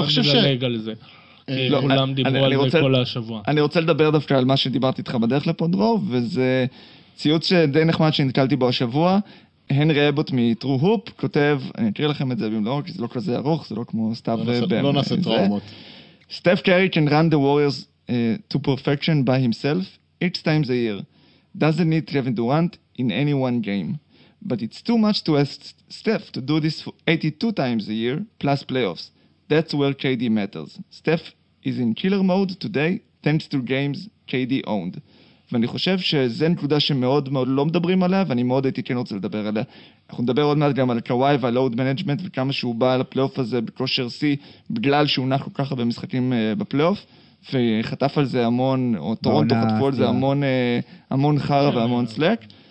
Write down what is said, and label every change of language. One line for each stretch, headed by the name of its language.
Hebrew: מדלג על זה. כולם דיברו על זה כל השבוע. אני רוצה לדבר דווקא על מה שדיברתי איתך בדרך לפה דרוב, וזה ציוץ שדי נחמד שנתקלתי בו השבוע. הנרי אבוט מטרו הופ כותב, אני אקריא לכם את זה במלואו, כי זה לא כזה ארוך, זה לא כמו סתיו... לא נעשה טראומות.
English: סטף קרי can run the Warriors to perfection by himself each time the year. Doesn't need Kevin Durant in any one game. But it's too much to ask Steph to do this 82 times a year plus playoffs. That's where KD matters. Steph is in killer mode today thanks to games KD owned.
Hebrew: ואני חושב שזה נקודה שמאוד מאוד לא מדברים עליה, ואני מאוד הייתי כן רוצה לדבר עליה. אנחנו נדבר עוד מעט גם על קוואי ועל לואוד מנג'מנט, וכמה שהוא בא על הפלי אוף הזה בכושר C, בגלל שהוא נח כל כך הרבה משחקים בפלי אוף, וחטף על זה המון, או טורונטו חטפו על זה המון, המון חר והמון סלק.